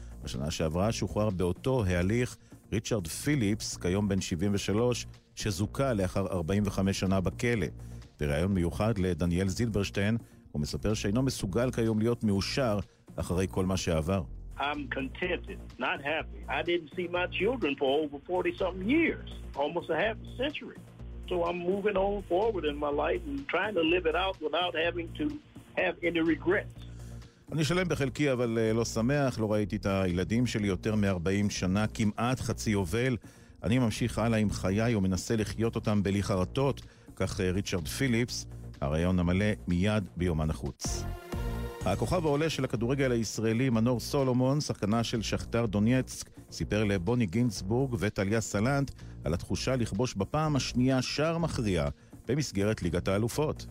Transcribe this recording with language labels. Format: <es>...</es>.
<he>בשנה שעברה שוחרר באותו ההליך ריצ'רד פיליפס, כיום בן 73, שזוכה לאחר 45 שנה בכלא. בראיון מיוחד לדניאל זילברשטיין, הוא מספר שאינו מסוגל כיום להיות מאושר אחרי כל מה שעבר.</he> <en>I'm contented, not happy. I didn't see my children for over 40-something years, almost a half a century. So I'm moving on forward in my life and trying to live it out without having to have any regrets.</en> <he>אני שלם בחלקי, אבל לא שמח. לא ראיתי את הילדים שלי יותר מ-40 שנה, כמעט חצי יובל. אני ממשיך הלאה עם חיי ומנסה לחיות אותם בלי חרטות, כך ריצ'רד פיליפס. הרעיון המלא מיד ביומן החוץ. הכוכב העולה של הכדורגל הישראלי מנור סולומון, שחקנה של שחטר דונייצק, סיפר לבוני גינצבורג וטליה סלנט על התחושה לכבוש בפעם השנייה שער מכריע במסגרת ליגת האלופות.</he>